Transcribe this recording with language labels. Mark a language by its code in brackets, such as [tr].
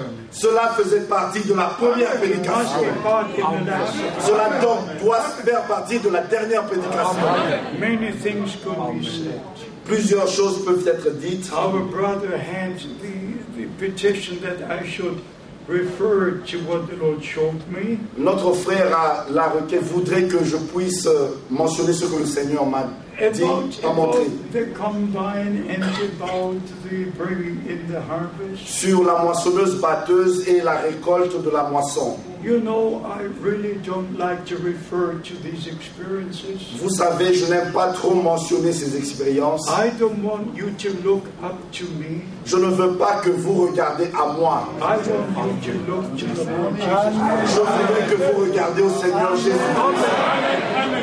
[fr] Cela faisait partie de la première prédication. Cela donc doit faire partie de la dernière prédication. [en] Many things could be said. [fr] Plusieurs choses peuvent être dites. [en] Our brother Hans, the petition that I should refer to what the Lord showed me. [fr] Notre frère a la requête, voudrait que je puisse mentionner ce que le Seigneur m'a dit, m'a montré. [en] The combine and about the bringing in the harvest. [fr] Sur la moissonneuse batteuse et la récolte de la moisson. [en] You know, I really don't like to refer to these experiences. [fr] Vous savez, je n'aime pas trop mentionner ces expériences. [en] I don't want you to look up to me. [fr] Je ne veux pas que vous regardiez à moi. [en] I don't want you to look to the Lord Jesus. [fr] Je voudrais que vous regardiez au Seigneur Jésus.